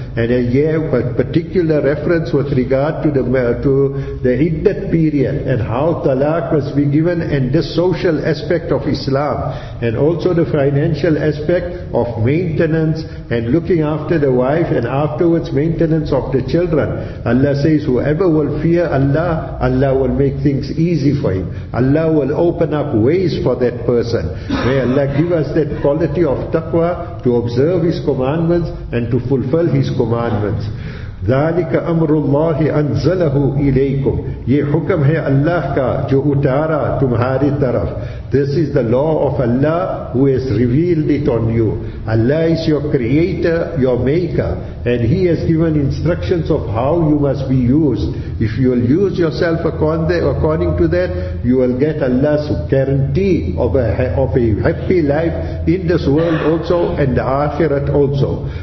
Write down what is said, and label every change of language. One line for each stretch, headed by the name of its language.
English: And a year, particular reference with regard to the iddat period and how talaq must be given, and this social aspect of Islam, and also the financial aspect of maintenance and looking after the wife, and afterwards maintenance of the children. Allah says, whoever will fear Allah, Allah will make things easy for him. Allah will open up ways for that person. May Allah give us that quality of taqwa, to observe His commandments and to fulfill His commandments.
Arabic: ذلك امر الله انزله اليكم.
Urdu: یہ حکم ہے اللہ کا جو اتارا تمہاری طرف.
English: This is the law of Allah who has revealed it on you. Allah is your creator, your maker, and He has given instructions of how you must be used. If you will use yourself according to that, you will get Allah's guarantee of a happy life in this world also and the akhirat also.